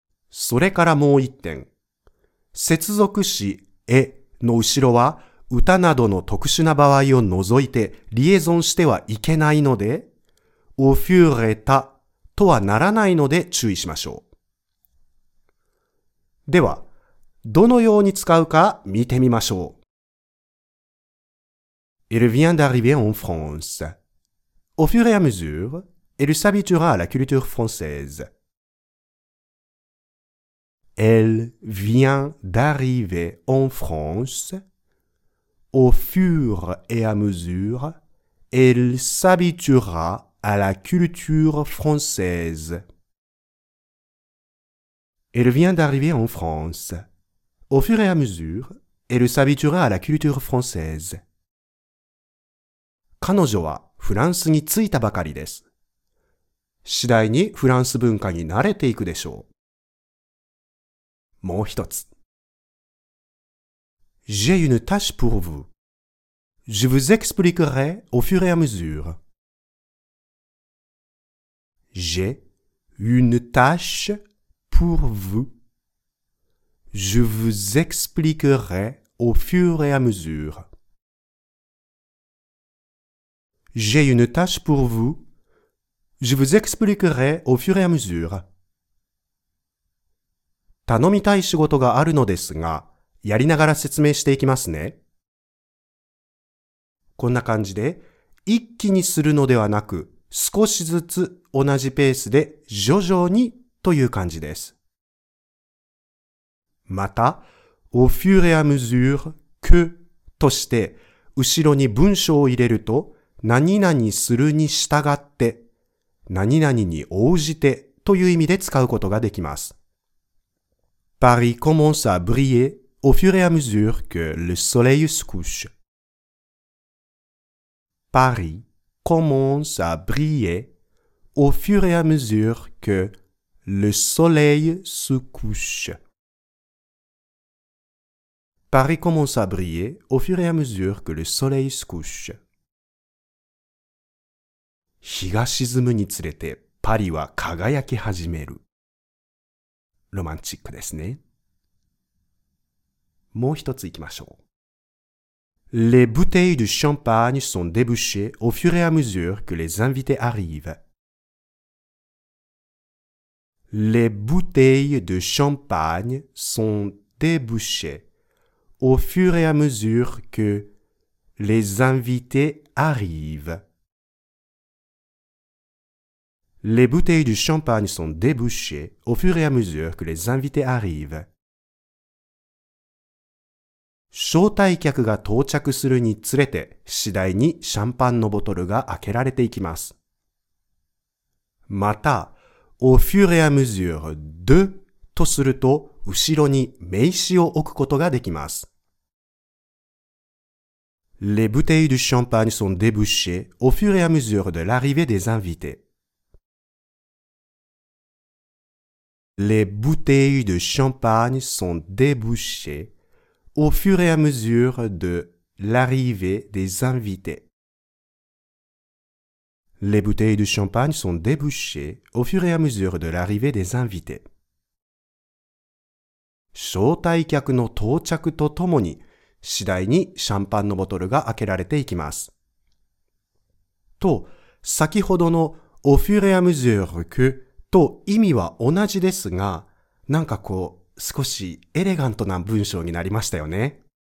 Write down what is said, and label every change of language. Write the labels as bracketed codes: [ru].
[ja] それからもう一点。接続詞えの後ろは、歌などの特殊な場合を除いてリエゾンしてはいけないので、au fur et à とはならないので注意しましょう。では、どのように使うか見てみましょう。 [fr] Elle vient d'arriver en France. Au fur et à mesure, elle s'habituera à la culture française. Elle vient d'arriver en France. Au fur et à mesure, elle s'habituera à la culture française. Elle vient d'arriver en France. Au fur et à mesure, elle s'habituera à la culture française. [ja] 彼女はフランスに着いたばかりです。次第にフランス文化に慣れていくでしょう。もう一つ。 [fr] J'ai une tâche pour vous. Je vous expliquerai au fur et à mesure. J'ai une tâche pour vous. Je vous expliquerai au fur et à mesure. J'ai une tâche pour vous. Je vous expliquerai au fur et à mesure. [ja] 頼みたい仕事があるのですが、やりながら説明していきますね。こんな感じで、一気にするのではなく、少しずつ同じペースで徐々にという感じです。また、au fur et à mesure que として、後ろに文章を入れると、何々するに従って、何々に応じてという意味で使うことができます。 [fr] Paris commence à briller au fur et à mesure que le soleil se couche. Paris commence à briller au fur et à mesure que le soleil se couche. Paris commence à briller au fur et à mesure que le soleil se couche. [ja] 日が沈むにつれてパリは輝き始める。ロマンチックですね。もう一つ行きましょう。 [fr] Les bouteilles de champagne sont débouchées au fur et à mesure que les invités arrivent. Les bouteilles de champagne sont débouchées au fur et à mesure que les invités arrivent. Les bouteilles de champagne sont débouchées au fur et à mesure que les invités arrivent. [ja] 招待客が到着するにつれて、次第にシャンパンのボトルが開けられていきます。また、au fur et à mesure de とすると、後ろに名詞を置くことができます。 [fr] Les bouteilles de champagne sont débouchées au fur et à mesure de l'arrivée des invités. Les bouteilles de champagne sont débouchées. Au fur et à mesure de l'arrivée des invités. Les bouteilles de champagne sont débouchées au fur et à mesure de l'arrivée des invités. [ja] 招待客の到着とともに、次第にシャンパンのボトルが開けられていきます。と、先ほどの au fur et à mesure que と意味は同じですが、なんかこう、少しエレガントな文章になりましたよね。